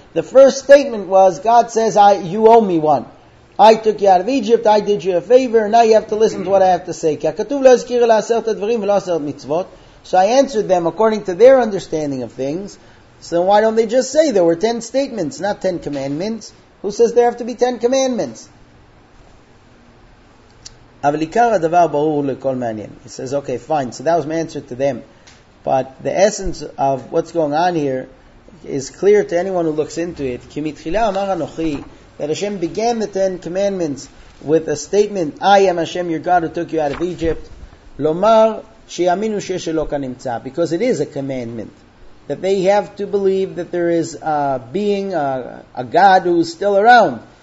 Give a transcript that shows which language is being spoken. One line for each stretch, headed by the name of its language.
English: The first statement was, God says, you owe me one. I took you out of Egypt, I did you a favor, now you have to listen to what I have to say.
Hebrew: Ki ha-katuv lo ezkir ela aseret ha-dvarim v'lo aseret mitzvot.
English: So I answered them according to their understanding of things. So why don't they just say there were 10 statements, not 10 commandments? Who says there have to be 10 commandments?
Hebrew: אבל עיקר הדבר ברור לכל מעניין.
English: He says, okay, fine. So that was my answer to them. But the essence of what's going on here is clear to anyone who looks into it.
Hebrew: כי מתחילה אמר אנוכי,
English: that Hashem began the 10 commandments with a statement, I am Hashem, your God, who took you out of Egypt.
Hebrew: לומר שיאמינו שיש אלוקה נמצא.
English: Because it is a commandment. That they have to believe that there is a being, a God who is still around.